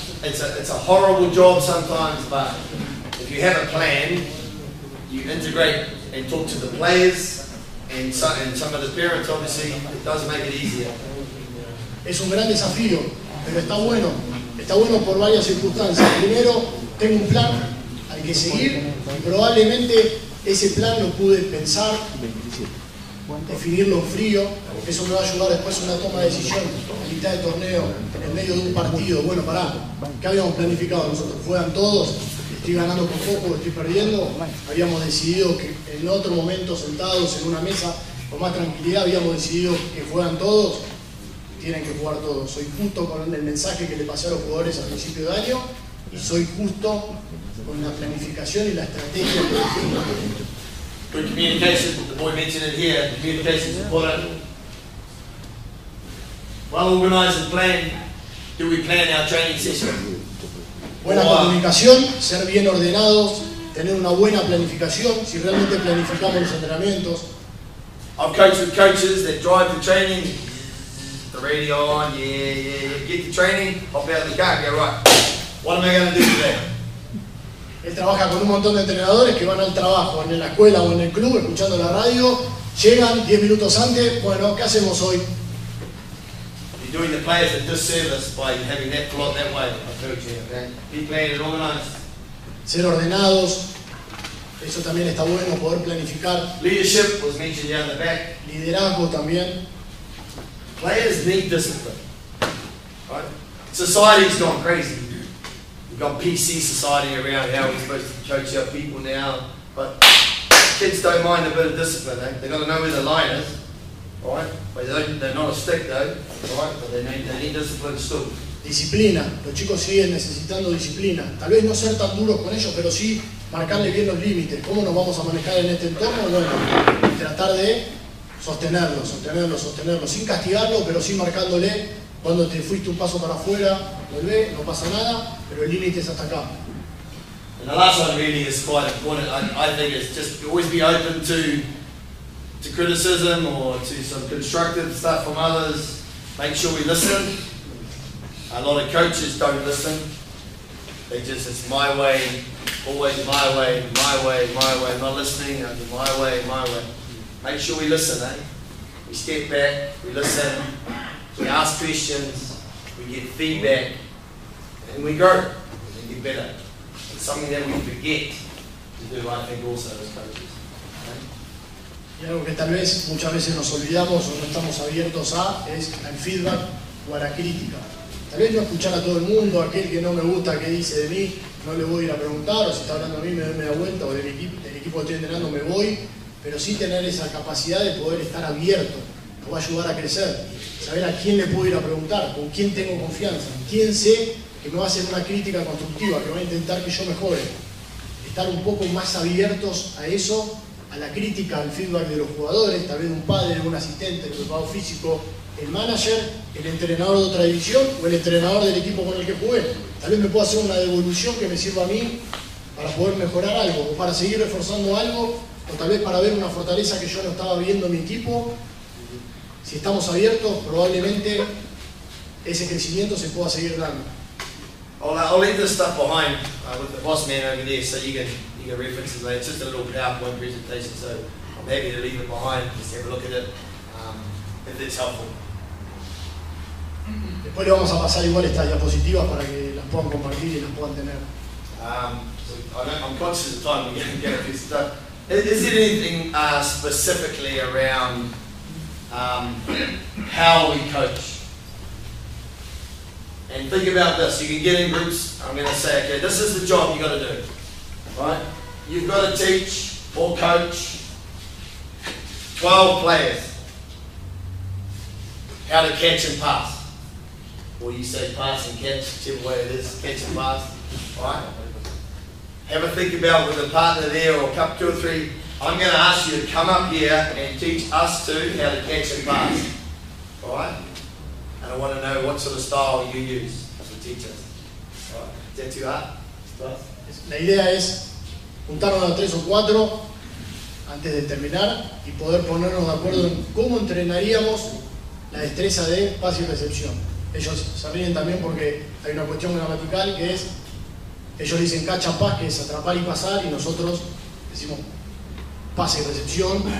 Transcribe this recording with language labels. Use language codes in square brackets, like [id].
[en] It's a horrible job sometimes, but if you have a plan, you integrate and talk to the players and some of the parents, obviously, it does make it easier. [es] Es un gran desafío, pero está bueno. Está bueno por varias circunstancias. Primero, tengo un plan al que seguir y probablemente ese plan lo pude pensar, definirlo frío. Eso me va a ayudar después en una toma de decisión en mitad de torneo, en medio de un partido. Bueno, pará, ¿qué habíamos planificado nosotros? ¿Juegan todos? ¿Estoy ganando por poco? ¿Estoy perdiendo? Habíamos decidido que en otro momento, sentados en una mesa, con más tranquilidad, habíamos decidido que juegan todos. Tienen que jugar todos. Soy justo con el mensaje que le pasé a los jugadores al principio de año y soy justo con la planificación y la estrategia que decidimos. [en] Good communication, the boy mentioned it here. Communication is important. well organized and planned do we plan our training session. [es] Buena comunicación, ser bien ordenados, tener una buena planificación, si realmente planificamos los entrenamientos. [en] I've coached with coaches that drive the training. The radio on, yeah. Get the training, hop out of the car, yeah, right. What am I going to do today? [es] Él trabaja con un montón de entrenadores que van al trabajo, en la escuela o en el club, escuchando la radio. Llegan 10 minutos antes, bueno, ¿qué hacemos hoy? [en] You're doing the players a disservice by having that plot that way. Okay. Be playing it organized. [es] Ser ordenados. Eso también está bueno, poder planificar. [en] Leadership was mentioned down the back. [es] Liderazgo también. [en] Players need discipline. Right? Society's gone crazy. We've got PC society around how we're supposed to coach our people now. But kids don't mind a bit of discipline, eh? They've got to know where the line is. Right? But they're not a stick though, right? But they need discipline still. [es] Disciplina. Los chicos siguen necesitando disciplina. Tal vez no ser tan duros con ellos, pero sí marcarle bien los límites. ¿Cómo nos vamos a manejar en este entorno? Bueno, tratar de sostenerlo. Sin castigarlo, pero sí marcándole. Cuando te fuiste un paso para afuera, volvé, no pasa nada, pero el límite es hasta acá. [en] And the last one really is quite important. I think it's just always be open to criticism or to some constructive stuff from others. Make sure we listen. A lot of coaches don't listen. They just, it's my way, always my way, my way, my way. I'm not listening, I'm doing my way, my way. Make sure we listen, eh? We step back, we listen, we ask questions, we get feedback, and we grow, and we get better. It's something that we forget to do, I think, also as coaches. Okay? [es] Y algo que tal vez muchas veces nos olvidamos o no estamos abiertos a es el feedback o a la crítica. Tal vez yo escuchar a todo el mundo, aquel que no me gusta, que dice de mí, no le voy a ir a preguntar, o si está hablando a mí, me doy media vuelta, o del equipo que estoy entrenando, me voy. Pero sí tener esa capacidad de poder estar abierto, nos va a ayudar a crecer. Saber a quién le puedo ir a preguntar, con quién tengo confianza, quién sé que me va a hacer una crítica constructiva, que va a intentar que yo mejore. Estar un poco más abiertos a eso, a la crítica, al feedback de los jugadores, tal vez un padre, un asistente, un preparador físico, el manager, el entrenador de otra división o el entrenador del equipo con el que jugué. Tal vez me pueda hacer una devolución que me sirva a mí para poder mejorar algo o para seguir reforzando algo o tal vez para ver una fortaleza que yo no estaba viendo en mi equipo. Si estamos abiertos, probablemente ese crecimiento se pueda seguir dando. [en] I'll leave this stuff behind with the boss man over there so you can reference it. It's just a little PowerPoint presentation, so I'm happy to leave it behind. Just have a look at it. If it's helpful. [es] Después le vamos a pasar igual estas diapositivas para que las puedan compartir y las puedan tener. [en] I'm conscious of time, we're going to get this stuff. Is there anything specifically around how we coach? And think about this, you can get in groups, I'm going to say, okay, this is the job you've got to do. Right? You've got to teach or coach 12 players how to catch and pass. Or you say pass and catch, whichever way it is, catch and pass, right? Have a think about with a partner there or a couple, two or three. I'm going to ask you to come up here and teach us two how to catch and pass, right? And I want to know what sort of style you use to teach us. Right. Is that too hard? [es] La idea es juntarnos a tres o cuatro antes de terminar y poder ponernos de acuerdo en cómo entrenaríamos la destreza de pase y recepción. Ellos se ríen también porque hay una cuestión gramatical que es, ellos dicen [en] catch and pass, [es] que es atrapar y pasar, y nosotros decimos pase y recepción.